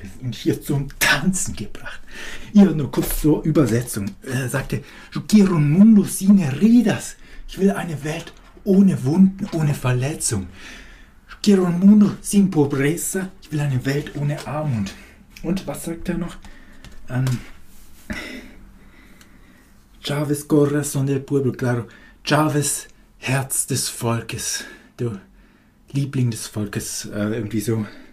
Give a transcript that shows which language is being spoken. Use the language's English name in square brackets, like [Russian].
[German] Hier zum Tanzen gebracht. Ihr nur kurz zur Übersetzung. Er sagte: [Spanish] Yo quiero un mundo sin heridas. [German] Ich will eine Welt ohne Wunden, ohne Verletzung. [Spanish] Yo quiero un mundo sin pobreza. [German] Ich will eine Welt ohne Armut. Und was sagt er noch? [Spanish] Chávez, corazón del pueblo, claro. Chávez, [German] Herz des Volkes. Du Liebling des Volkes, irgendwie so.